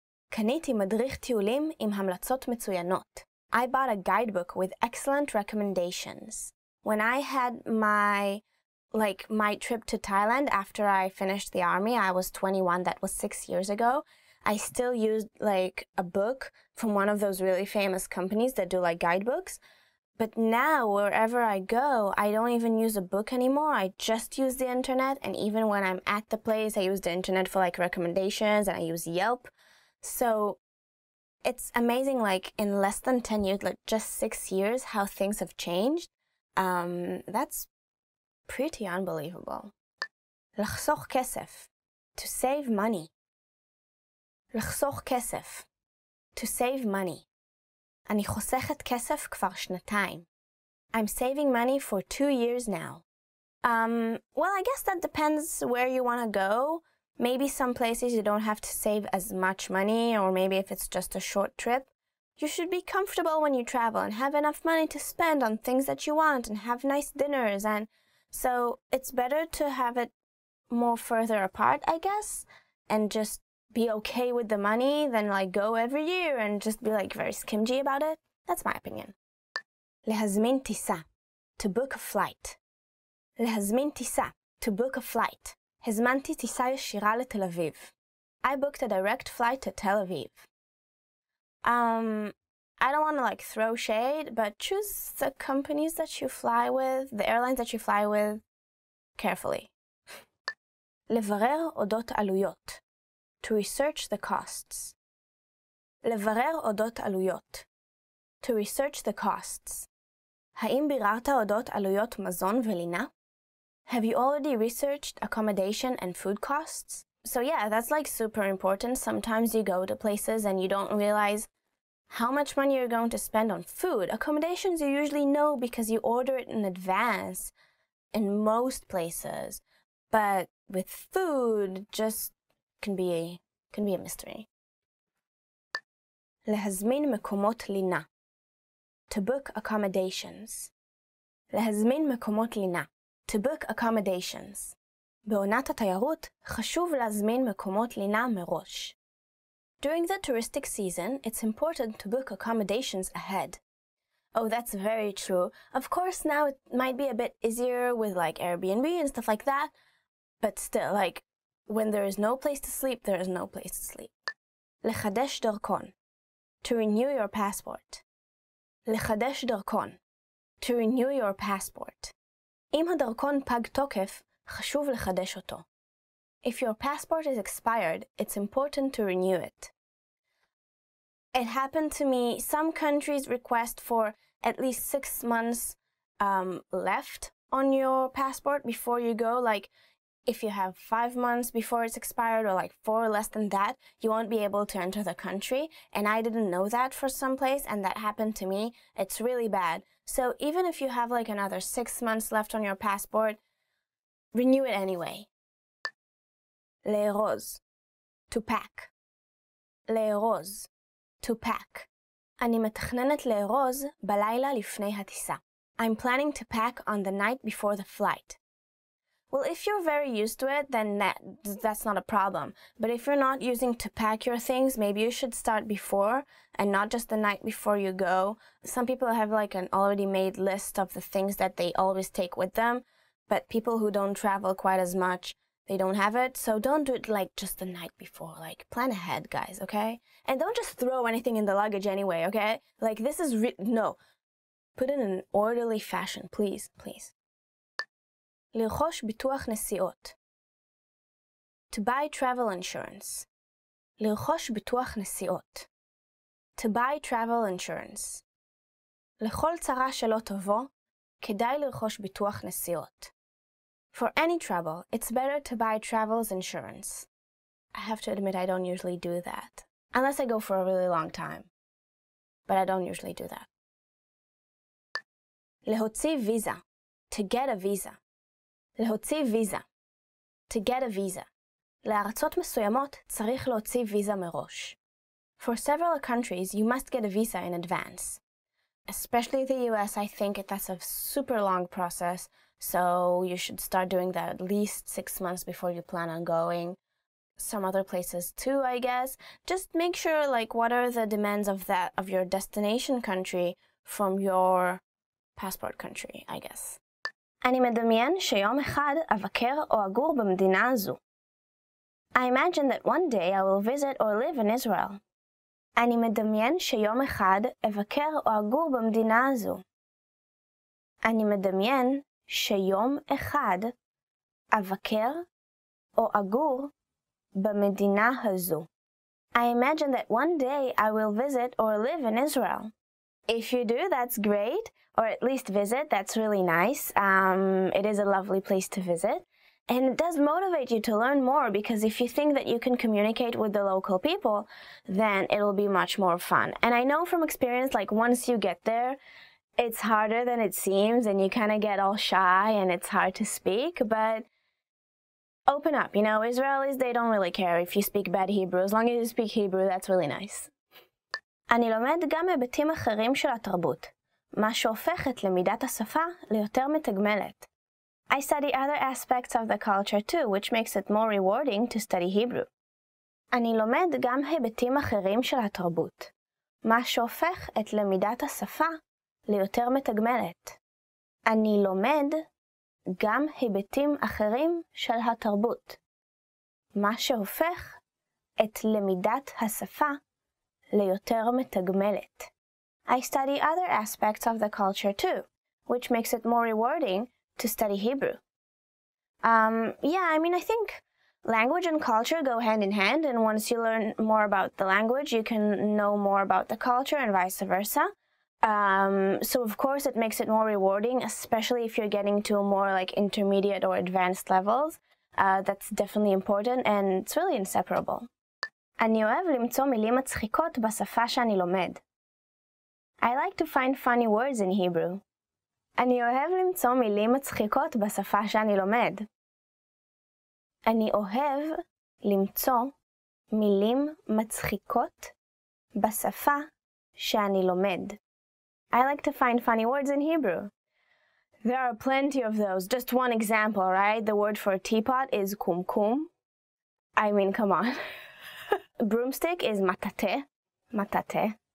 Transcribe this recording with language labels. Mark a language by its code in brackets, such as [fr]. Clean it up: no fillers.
[he] קניתי מדריך טיולים עם המלצות מצוינות. [en] I bought a guidebook with excellent recommendations. When I had my trip to Thailand after I finished the army, I was 21, that was 6 years ago, I still used like a book from one of those really famous companies that do like guidebooks. But now wherever I go, I don't even use a book anymore. I just use the internet. And even when I'm at the place, I use the internet for like recommendations and I use Yelp. So it's amazing, like in less than 10 years, like just 6 years, how things have changed. That's pretty unbelievable. [he] לחסוך כסף, [en] to save money. לחסוך כסף, to save money. [he] אני חוסכת כסף כבר שנתיים. [en] I'm saving money for 2 years now. Well, I guess that depends where you want to go. Maybe some places you don't have to save as much money, or maybe if it's just a short trip. You should be comfortable when you travel and have enough money to spend on things that you want and have nice dinners. And so it's better to have it more further apart, I guess, and just be okay with the money than like go every year and just be like very skimpy about it. That's my opinion. [he] להזמין טיסה, [en] to book a flight. להזמין טיסה, to book a flight. [he] הזמנתי טיסה ישירה לתל אביב. [en] I booked a direct flight to Tel Aviv. I don't want to like throw shade, but choose the companies that you fly with, the airlines that you fly with, carefully. [he] לברר אודות עלויות. [en] To research the costs. [he] לברר אודות עלויות. [en] To research the costs. [he] האם ביררת אודות עלויות מזון ולינה? [en] Have you already researched accommodation and food costs? So yeah, that's like super important. Sometimes you go to places and you don't realize how much money you're going to spend on food. Accommodations you usually know because you order it in advance in most places. But with food, just can be a mystery. [he] להזמין מקומות לינה. [en] To book accommodations. [he] להזמין מקומות לינה. [en] To book accommodations. [he] בעונת התיירות חשוב להזמין מקומות לינה מראש. [en] During the touristic season, it's important to book accommodations ahead. Oh, that's very true. Of course, now it might be a bit easier with like Airbnb and stuff like that, but still, like when there is no place to sleep, there is no place to sleep. [he] לחדש דרכון. [en] To renew your passport. [he] לחדש דרכון. [en] To renew your passport. [he] אם הדרכון פג תוקף, חשוב לחדש אותו. [en] If your passport is expired, it's important to renew it. It happened to me, some countries request for at least 6 months left on your passport before you go. Like, if you have 5 months before it's expired, or like 4 less than that, you won't be able to enter the country. And I didn't know that for some place, and that happened to me. It's really bad. So even if you have like another 6 months left on your passport, renew it anyway. [he] לארוז, [en] to pack. [he] לארוז, [en] to pack. [he] אני מתכננת לארוז בלילה לפני הטיסה. [en] I'm planning to pack on the night before the flight. Well, if you're very used to it, then that's not a problem. But if you're not using to pack your things, maybe you should start before and not just the night before you go. Some people have like an already made list of the things that they always take with them, but people who don't travel quite as much, they don't have it. So don't do it like just the night before. Like, plan ahead, guys, okay? And don't just throw anything in the luggage anyway, okay? Like, this is no. Put it in an orderly fashion, please, please. [he] לרכוש ביטוח נסיעות. [en] To buy travel insurance. [he] לרכוש ביטוח נסיעות. [en] To buy travel insurance. [he] לכל צרה שלא תבוא, כדאי לרכוש ביטוח נסיעות. [en] For any trouble, it's better to buy travel's insurance. I have to admit, I don't usually do that. Unless I go for a really long time. But I don't usually do that. [he] להוציא ויזה. [en] To get a visa. [he] להוציא ויזה. [en] To get a visa. [he] לארצות מסוימות צריך להוציא ויזה מראש. [en] For several countries, you must get a visa in advance. Especially the US, I think that's a super long process, so you should start doing that at least 6 months before you plan on going. Some other places too, I guess. Just make sure, like, what are the demands of that, of your destination country from your passport country, I guess. [he] אני מדמיין שיום אחד אבקר או אגור במדינה הזו. [en] I imagine that one day I will visit or live in Israel. [he] אני מדמיין שיום אחד אבקר או אגור במדינה הזו. אני מדמיין שיום אחד אבקר או אגור במדינה הזו. [en] I imagine that one day I will visit or live in Israel. If you do, that's great. Or at least visit, that's really nice. It is a lovely place to visit. And it does motivate you to learn more, because if you think that you can communicate with the local people, then it'll be much more fun. And I know from experience, like, once you get there, it's harder than it seems, and you kind of get all shy, and it's hard to speak, but open up. You know, Israelis, they don't really care if you speak bad Hebrew. As long as you speak Hebrew, that's really nice. [he] אני לומד גם היבטים אחרים של התרבות, מה שהופך את למידת השפה ליותר מתגמלת. [en] I study other aspects of the culture too, which makes it more rewarding to study Hebrew. [he] אני לומד גם היבטים אחרים של התרבות, מה שהופך את למידת השפה ליותר מתגמלת. אני לומד גם היבטים אחרים של התרבות, מה שהופך את למידת השפה ליותר מתגמלת. [en] I study other aspects of the culture too, which makes it more rewarding to study Hebrew. I think language and culture go hand in hand, and once you learn more about the language, you can know more about the culture and vice versa. So of course it makes it more rewarding, especially if you're getting to a more like intermediate or advanced levels. That's definitely important, and it's really inseparable. [he] אני אוהב למצוא מילים מצחיקות בשפה שאני לומד. [en] I like to find funny words in Hebrew. [he] אני אוהב למצוא מילים מצחיקות בשפה שאני לומד. אני אוהב למצוא מילים מצחיקות בשפה שאני לומד. [en] I like to find funny words in Hebrew. There are plenty of those. Just one example, right? The word for teapot is kumkum. I mean, come on. Broomstick is matate, matate.